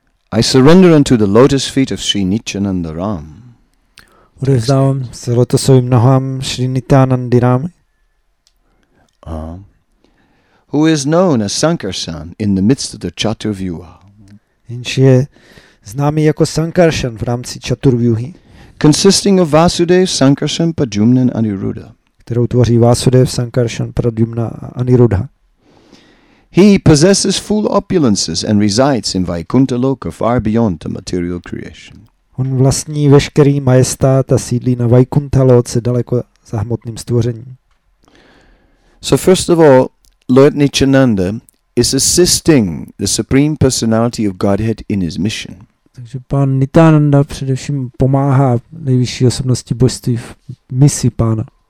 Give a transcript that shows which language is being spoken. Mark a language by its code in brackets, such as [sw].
[en] I surrender unto the lotus feet of Sri Nityananda Ram. [cs] Odevzdávám se lotosovým nohám Sri Nityanandy Ram. [en] Who is known as Sankarsan in the midst of the Chaturvyuha. [cs] Jenž je známý jako Sankarsan v rámci Chaturvyuhy. [en] Consisting of Vasudev, Sankarsan, Pradyumna, Aniruddha. [cs] Kterou tvoří Vasudev, Sankarsan, Pradyumna a Aniruddha. [en] He possesses full opulences and resides in Vaikuntha Loka far beyond the material creation. [cs] On vlastní veškerý majestát a sídlí na Vaikuntha Loce daleko za hmotným stvořením. [en] So first of all, Lord Nityananda is assisting the Supreme Personality of Godhead in his mission. [cs] Takže pán Nityananda především pomáhá nejvyšší osobnosti božství v misi pána.